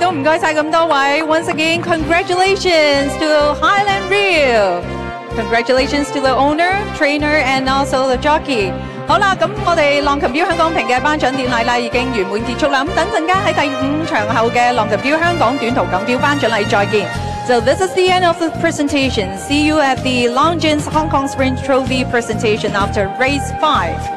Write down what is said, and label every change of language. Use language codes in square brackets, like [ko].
[en] Once again, congratulations to Highland Reel. Congratulations to the owner, trainer, and also the jockey. [yue] 好啦，咁我哋浪琴标香港评嘅颁奖典礼啦，已经圆满结束啦。咁等阵间喺第五场后嘅浪琴标香港短途锦标颁奖礼再见。 [en] So this is the end of the presentation. See you at the Longines Hong Kong Sprint Trophy presentation after race 5.